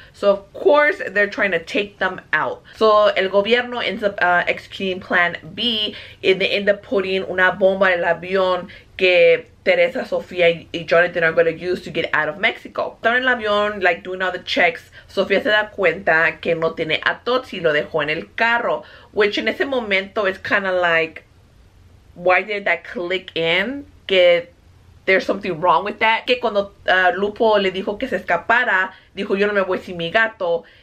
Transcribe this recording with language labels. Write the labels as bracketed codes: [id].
[en] So, of course, they're trying to take them out. So, el gobierno ends up executing plan B. And they end up putting una bomba en el avión que Teresa, Sofía y Jonathan are going to use to get out of Mexico. Están en el avión, like, doing all the checks. [es] Sofía se da cuenta que no tiene a Tots y lo dejó en el carro. [en] Which, en ese momento, is kind of like, why did that click in? Que there's something wrong with that. [es] Que cuando Lupo le dijo que se escapara, dijo, yo no me voy sin mi gato.